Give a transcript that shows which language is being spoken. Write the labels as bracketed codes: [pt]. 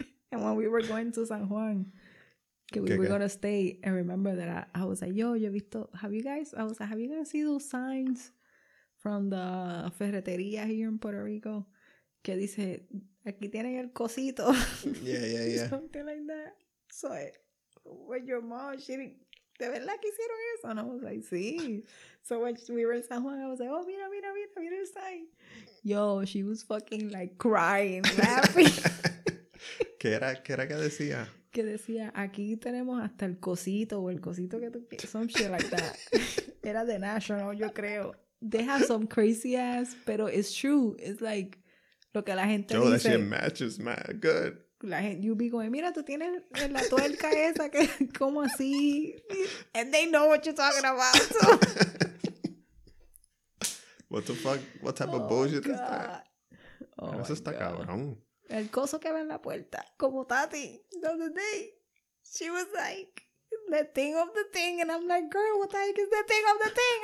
[en] And when we were going to San Juan, we were going to stay, and remember that I was like, have you guys seen those signs from the ferreteria here in Puerto Rico? [es] Que dice, aquí tienen el cosito. [en] Yeah. Something like that. So, when your mom, she didn't, [es] ¿de verdad que hicieron eso? [en] And I was like, [es] sí. [en] So, when we were in San Juan, I was like, oh, [es] mira el [en] sign. Yo, she was fucking like crying, laughing. [es] ¿Qué era que decía? Que decía, aquí tenemos hasta el cosito o el cosito que tú quieres. [en] Some shit like that. [es] Era de National, yo creo. [en] They have some crazy ass, [es] pero [en] it's true. It's like, [es] lo que la gente dice. [en] Yo, that shit matches, man. Good. [es] La gente, [en] you be going, [es] mira, tú tienes la tuerca esa que, ¿cómo así? [en] And they know what you're talking about, so. What the fuck? What type of bullshit is that? Oh, [es] eso está cabrón. El coso que va en la puerta, como Tati, [en] the other day. She was like, the thing of the thing. And I'm like, girl, what the heck is the thing of the thing?